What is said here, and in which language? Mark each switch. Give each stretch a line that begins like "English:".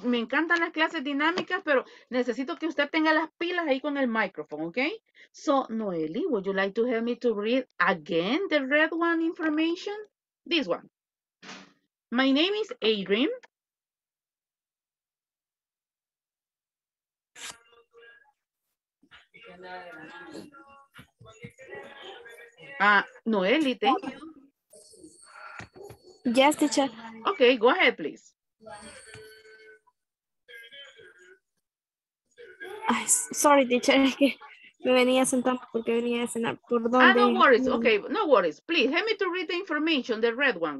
Spanish: Me encantan las clases dinámicas, pero necesito que usted tenga las pilas ahí con el micrófono, okay?
English: So, Noeli, would you like to help me to read again the red one information? This one. My name is Adrian. Noeli, thank you. Yes, teacher. Okay, go ahead, please.
Spanish: Ay,
English: sorry, teacher,
Spanish: que me venía sentando porque venía a cenar. ¿Por dónde?
English: Ah, no worries. Okay, no worries. Please help me to read the information, the red one.